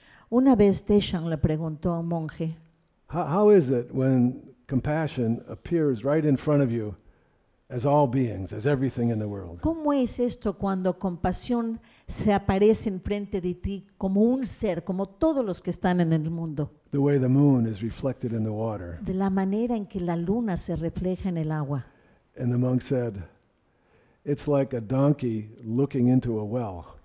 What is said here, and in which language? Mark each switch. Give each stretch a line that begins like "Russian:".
Spanish: Una vez Deshan le preguntó a un monje.
English: How is it when compassion appears right in front of you, as all beings, as everything in the world?
Spanish: ¿Cómo es esto cuando compasión se aparece en frente de ti como un ser, como todos los que están en el mundo?
English: The way the moon is reflected in the water.
Spanish: De la manera en que la luna se refleja en el agua.
English: And the monk said, "It's like a donkey looking into a well."